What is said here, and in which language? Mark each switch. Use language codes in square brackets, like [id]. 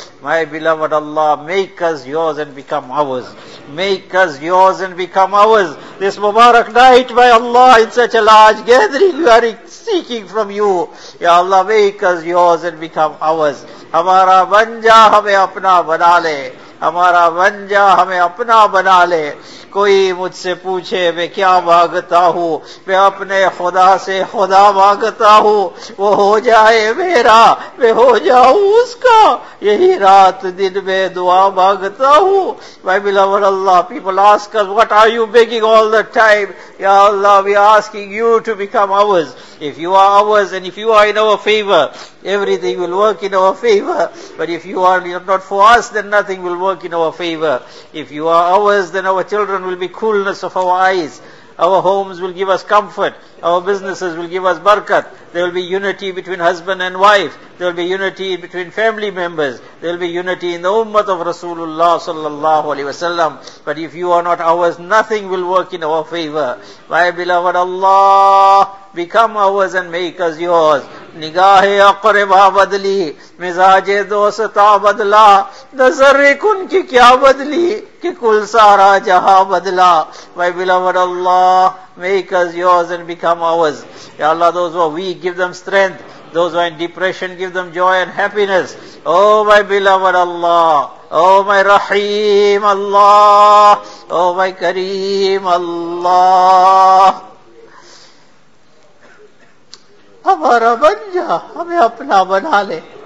[en] My beloved Allah, make us yours and become ours. Make us yours and become ours. This Mubarak night, my Allah, in such a large gathering, we are seeking from you. Ya Allah, make us yours and become ours. [ur] Hamara banja hame apna bana le. ہمارا بن جا ہمیں اپنا بنا لے. کوئی مجھ سے پوچھے میں کیا مانگتا ہوں, میں اپنے خدا سے خدا مانگتا ہوں, وہ ہو جائے میرا میں ہو جاؤں اس کا, یہی رات دن میں دعا مانگتا ہوں. [en] My beloved Allah, people ask us, what are you begging all the time? Ya Allah, we are asking you to become ours. If you are ours and if you are in our favor, everything will work in our favor. But if you are not for us, then nothing will work in our favor. If you are ours, then our children will be coolness of our eyes. Our homes will give us comfort. Our businesses will give us barakat. There will be unity between husband and wife. There will be unity between family members. There will be unity in the ummah of Rasulullah sallallahu alaihi wasallam. But if you are not ours, nothing will work in our favor. My beloved Allah, become ours and make us yours. [ur] نگاہ اقربا بدلی مزاج دوستا بدلا نظر کن کی کیا بدلی کہ کل سارا جہاں بدلا. [en] My beloved Allah, make us yours and become ours. Ya Allah, those who are weak, give them strength. Those who are in depression, give them joy and happiness. Oh my beloved Allah, oh my Rahim Allah, oh my Kareem Allah, [ur] ہمارا بن جا ہمیں اپنا بنا لے.